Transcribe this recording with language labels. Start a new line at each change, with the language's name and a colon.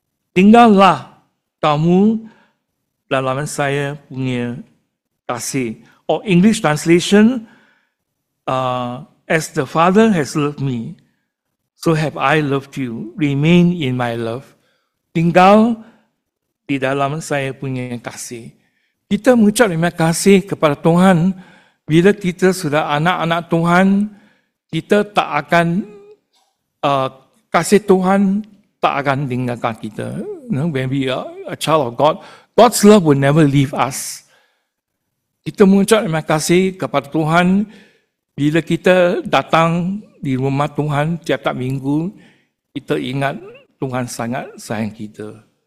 Malay: Tinggallah kamu dalam saya punya kasih.
English: Or English translation, as the Father has loved me, so have I loved you. Remain in my love.
Malay: Tinggal di dalam saya punya kasih. Kita mengucap terima kasih kepada Tuhan. Bila kita sudah anak-anak Tuhan, kita tak akan, kasih Tuhan tak akan tinggalkan kita.
English: You know, when we are a child of God, God's love will never leave us.
Malay: Kita mengucap terima kasih kepada Tuhan. Bila kita datang di rumah Tuhan tiap-tiap minggu, kita ingat Tuhan sangat sayang kita.